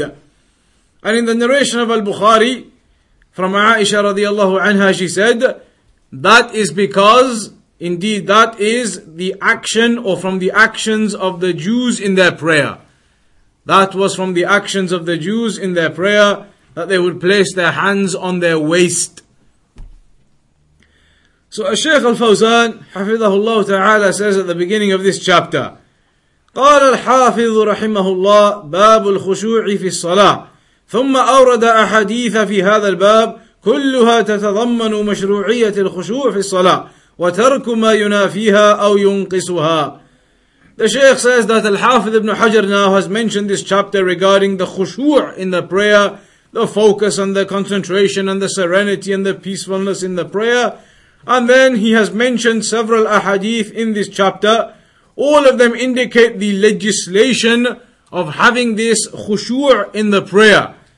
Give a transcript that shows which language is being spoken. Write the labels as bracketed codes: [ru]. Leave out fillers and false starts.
[en] And in the narration of Al-Bukhari, from Aisha radiallahu anha, she said, that is because, indeed, that is the action, or from the actions of the Jews in their prayer. That was from the actions of the Jews in their prayer, that they would place their hands on their waist. So Al-Shaykh Al-Fawzan, hafidhahullah ta'ala, says at the beginning of this chapter, [ar] قال الحافظ رحمه الله باب الخشوع في الصلاة ثم أورد أحاديث في هذا الباب كلها تتضمن مشروعية الخشوع في الصلاة وترك ما ينافيها أو ينقصها. [en] The Shaykh says that Al-Hafidh Ibn Hajar now has mentioned this chapter regarding the khushu' in the prayer, the focus and the concentration and the serenity and the peacefulness in the prayer. And then he has mentioned several ahadith in this chapter. All of them indicate the legislation of having this khushu' in the prayer.